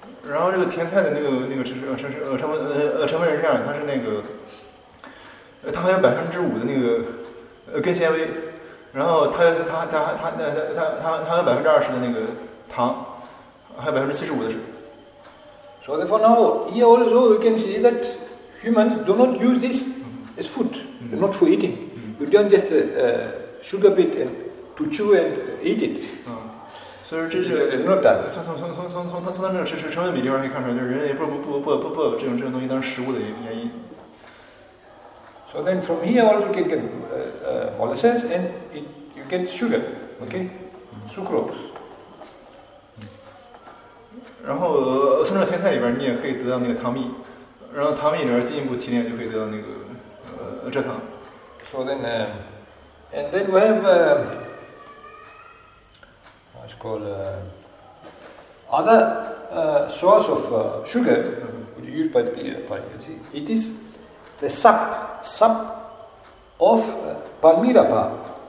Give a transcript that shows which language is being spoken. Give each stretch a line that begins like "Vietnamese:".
Chinese: 然后这个甜菜的那个成分是这样，它是那个，它还有5%的那个根纤维，然后它有20%的那个糖，还有75%的水。
English: So therefore now here also we can see that humans do not use this as food, not for eating. You don't just sugar bit and to chew and eat it.
Chinese: 所以这就是那么干。从那个成分比例上可以看出来，就是人类不这种东西当食物的原因。
English: So then from here also you can get molasses and you get sugar, okay, sucrose.
Chinese: 然后从这甜菜里边你也可以得到那个糖蜜，然后糖蜜里边进一步提炼就可以得到那个蔗糖。
English: So then, and then we have what's called other source of sugar, which is used by you see, it is the sap of palmira bark.